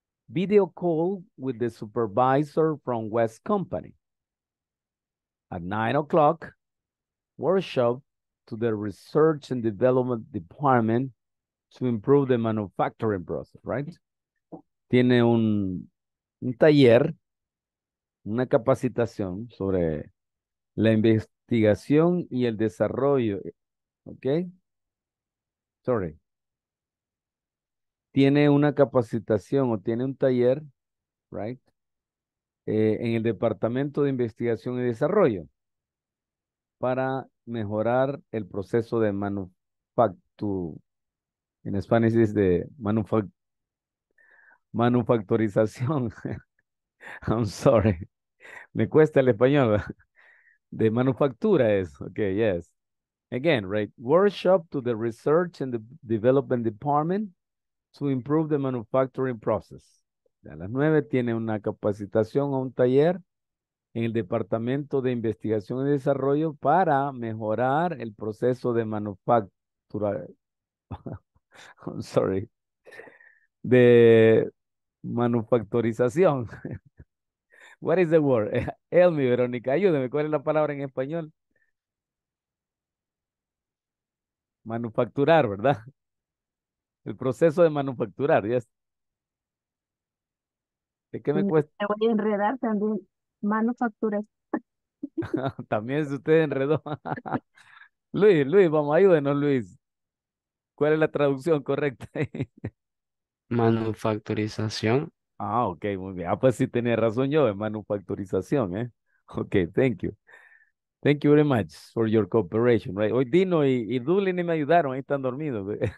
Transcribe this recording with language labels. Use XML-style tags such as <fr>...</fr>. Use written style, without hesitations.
<en>Video call with the supervisor from West Company. At 9:00, workshop to the research and development department to improve the manufacturing process, right?</en> <es>Tiene un taller, una capacitación sobre la investigación y el desarrollo, okay? Sorry. Tiene una capacitación o tiene un taller, right? En el Departamento de Investigación y Desarrollo para mejorar el proceso de manufactura, en español es de manufacturización.</es> <en>I'm sorry.</en> <es>Me cuesta el español. De manufactura es.</es> <en>Okay, yes. Again, right. Workshop to the Research and the Development Department to improve the manufacturing process.</en> <es>A las 9 tiene una capacitación o un taller en el Departamento de Investigación y Desarrollo para mejorar el proceso de manufactura.</es> <en>I'm sorry.</en> <es>De manufacturización.</es> <en>What is the word? Help me, Verónica.</en> <es>Ayúdeme. ¿Cuál es la palabra en español? Manufacturar, ¿verdad? El proceso de manufacturar. Yes. ¿De qué me cuesta? Me voy a enredar también. Manufacturas. También es usted enredó. Luis, vamos, ayúdenos, Luis. ¿Cuál es la traducción correcta? Manufacturización. Ah, ok, muy bien. Ah, pues sí tenía razón yo, en manufacturización, ¿eh?</es> <en>Ok, thank you. Thank you very much for your cooperation, right?</en> <es>Hoy Dino y Dublin me ayudaron, ahí están dormidos.</es>